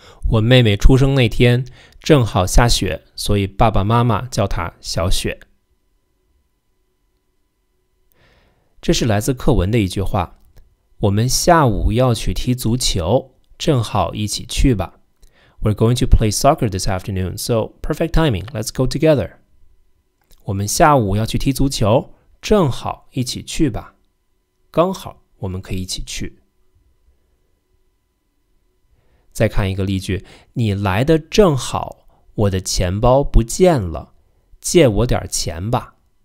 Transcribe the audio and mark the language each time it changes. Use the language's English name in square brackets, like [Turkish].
[Chinese] 我妹妹出生那天正好下雪，所以爸爸妈妈叫她小雪。这是来自课文的一句话，我们下午要去踢足球，正好一起去吧。 [English] We're going to play soccer this afternoon, so perfect timing, let's go together. [Chinese] 我们下午要去踢足球，正好一起去吧。刚好我们可以一起去。再看一个例句，你来的正好，我的钱包不见了，借我点钱吧。